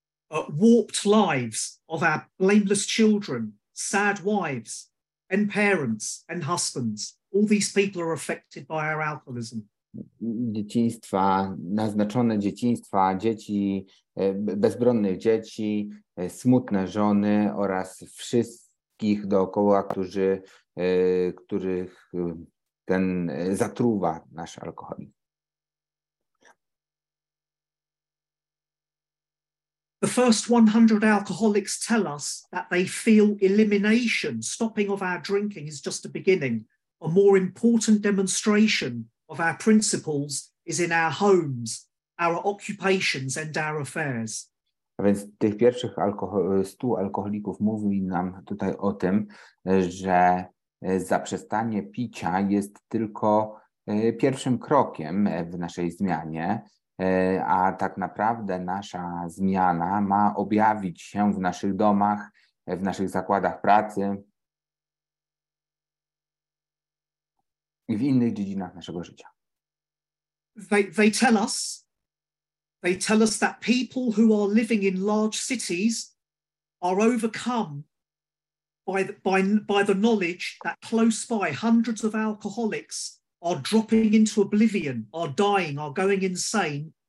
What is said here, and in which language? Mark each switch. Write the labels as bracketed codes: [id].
[en] Warped lives of our blameless children, sad wives, and parents and husbands. All these people are affected by our alcoholism. [pl] Dzieciństwa, naznaczone dzieciństwa, dzieci, bezbronne dzieci, smutne żony oraz wszystkich dookoła, których ten zatruwa nasz alkoholizm. [en] The first 100 alcoholics tell us that they feel elimination, stopping of our drinking, is just a beginning. A more important demonstration of our principles is in our homes, our occupations and our affairs. [pl] A więc tych pierwszych 100 alkoholików mówi nam tutaj o tym, że zaprzestanie picia jest tylko pierwszym krokiem w naszej zmianie. A tak naprawdę nasza zmiana ma objawić się w naszych domach, w naszych zakładach pracy i w innych dziedzinach naszego życia. [en] They tell us that people who are living in large cities are overcome by the knowledge that close by hundreds of alcoholics are dropping into oblivion, are dying, are going insane.